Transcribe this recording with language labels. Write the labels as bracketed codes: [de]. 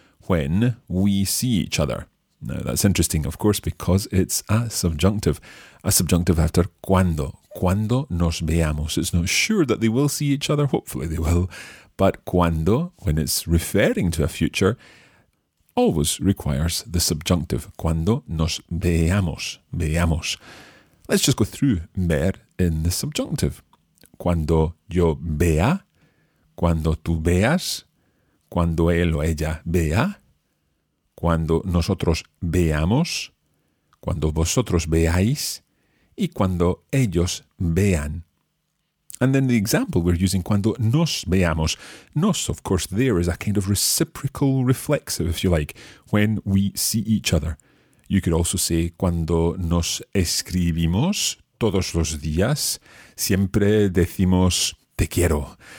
[en] When we see each other. Now, that's interesting, of course, because it's a subjunctive after cuando, [es] cuando nos veamos. [en] It's not sure that they will see each other, hopefully they will, but cuando, when it's referring to a future, always requires the subjunctive, [es] cuando nos veamos, veamos. [en] Let's just go through ver in the subjunctive. [es] Cuando yo vea, cuando tú veas, cuando él o ella vea, cuando nosotros veamos, cuando vosotros veáis, y cuando ellos vean. [en] And then the example we're using, [es] cuando nos veamos. [en] Nos, of course, there is a kind of reciprocal reflexive, if you like, when we see each other. You could also say, [es] cuando nos escribimos todos los días, siempre decimos te quiero.